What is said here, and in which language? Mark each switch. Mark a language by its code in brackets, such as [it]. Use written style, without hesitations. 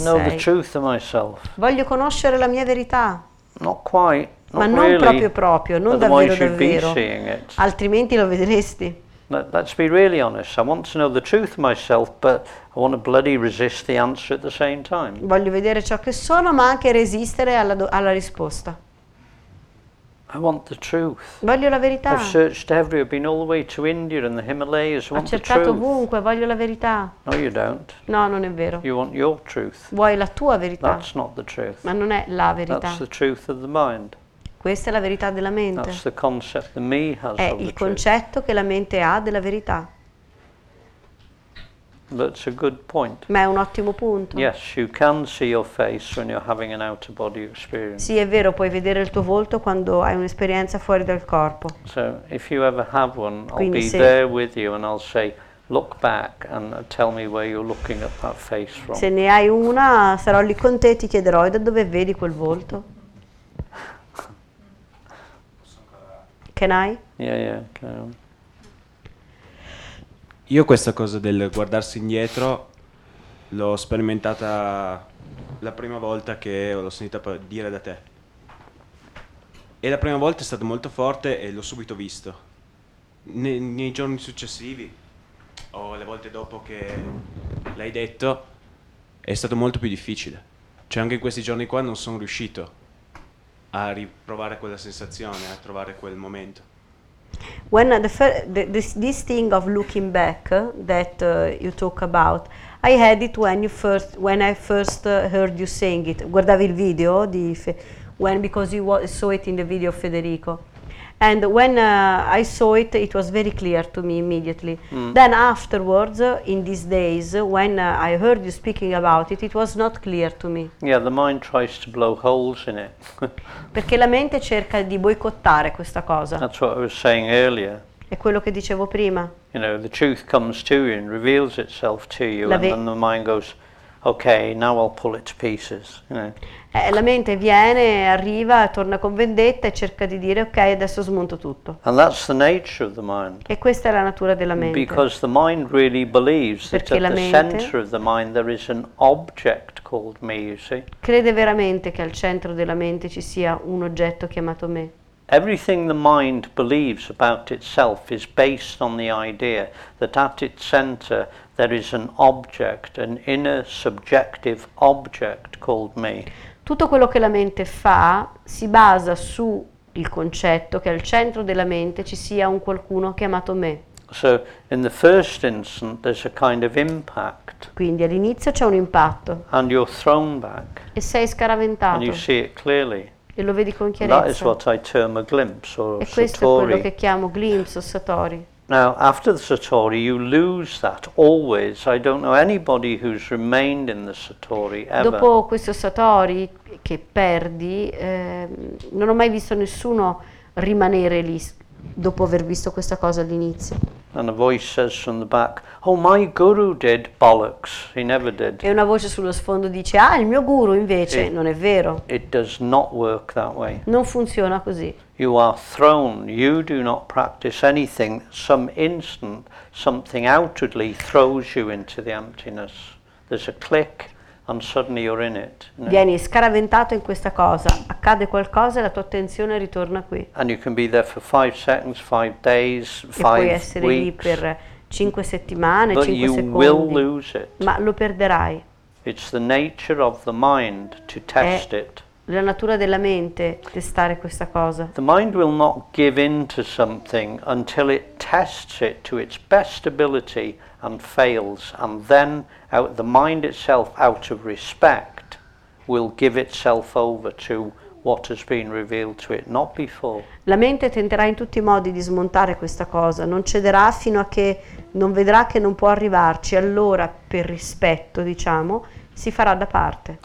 [en] I want to know the truth of myself. [it] Voglio conoscere la mia verità. [en] Not quite. [it] Ma non proprio, non davvero. Altrimenti lo vedresti. [en] Let's be really honest. I want to know the truth of myself, but I want to bloody resist the answer at the same time. [it] Voglio vedere ciò che sono, ma anche resistere alla risposta. [en] I want the truth. [it] Voglio la verità. [en] I've searched everywhere, I've been all the way to India and the Himalayas. I want the truth. [it] Ho cercato ovunque, voglio la verità. [en] No, you don't. [it] No, non è vero. [en] You want your truth. [it] Vuoi la tua verità. [en] That's not the truth. [it] Ma non è la verità. [en] That's the truth of the mind. [it] Questa è la verità della mente. [en] That's the concept the me has of the truth. [it] È il concetto che la mente ha della verità. [en] That's a good point. [it] Ma è un ottimo punto. [en] Yes, you can see your face when you're having an outer body experience. [it] Sì, è vero, puoi vedere il tuo volto quando hai un'esperienza fuori dal corpo. [en] So, if you ever have one, I'll be there with you and I'll say, look back and tell me where you're looking at that face from. [it] Se ne hai una, sarò lì con te e ti chiederò da dove vedi quel volto. [en] Can I? Yeah, yeah, can I? [it] Io questa cosa del guardarsi indietro l'ho sperimentata la prima volta che l'ho sentita dire da te. E la prima volta è stata molto forte e l'ho subito visto. Nei giorni successivi o le volte dopo che l'hai detto è stato molto più difficile. Cioè anche in questi giorni qua non sono riuscito a riprovare quella sensazione, a trovare quel momento. [en] When this thing of looking back that you talk about, I had it when I first heard you saying it. [it] Guardavi il video di [en] because you saw it in the video of Federico, and when I saw it, it was very clear to me immediately. Mm. Then afterwards, in these days, when I heard you speaking about it, it was not clear to me. Yeah, the mind tries to blow holes in it. [it] Perché la mente cerca di boicottare questa cosa. [en] That's what I was saying earlier. [it] È quello che dicevo prima. [en] You know, the truth comes to you and reveals itself to you, and then the mind goes, okay, now I'll pull it to pieces. You know. [it] La mente viene, arriva, torna con vendetta e cerca di dire ok, adesso smonto tutto. [en] And that's the nature of the mind. [it] E questa è la natura della mente. [en] Because the mind really believes that at the center of the mind there is an object called me, you see. [it] Crede veramente che al centro della mente ci sia un oggetto chiamato me. [en] Everything the mind believes about itself is based on the idea that at its center there is an object, an inner subjective object called me. [it] Tutto quello che la mente fa si basa su il concetto che al centro della mente ci sia un qualcuno chiamato me. [en] So in the first instant there's a kind of impact. [it] Quindi all'inizio c'è un impatto. [en] And you're thrown back. [it] E sei scaraventato. [en] And you see it clearly. [it] E lo vedi con chiarezza. [en] That is what I term a glimpse or [it] e questo satori. È quello che chiamo glimpse o satori. [en] Now, after the satori, you lose that always. I don't know anybody who's remained in the satori ever. [it] Dopo questo satori che perdi, non ho mai visto nessuno rimanere lì dopo aver visto questa cosa all'inizio. [en] And a voice says from the back, "Oh, my guru did bollocks. He never did." [it] E una voce sullo sfondo dice, "Ah, il mio guru invece non è vero." [en] It does not work that way. [it] Non funziona così. [en] You are thrown. You do not practice anything. Some instant, something outwardly throws you into the emptiness. There's a click, and suddenly you're in it. [it] No. Vieni scaraventato in questa cosa. Accade qualcosa e la tua attenzione ritorna qui. [en] And you can be there for 5 seconds, 5 days, 5 weeks. [it] E puoi essere lì per 5 settimane, [en] but [it] 5 secondi. [en] But you will lose it. [it] Ma lo perderai. [en] It's the nature of the mind to test it. [it] La natura della mente testare questa cosa. [en] The mind will not give in to something until it tests it to its best ability and fails, and then out the mind itself, out of respect, will give itself over to what has been revealed to it, not before. [it] La mente tenterà in tutti i modi di smontare questa cosa, non cederà fino a che non vedrà che non può arrivarci, allora per rispetto, diciamo, si farà da parte.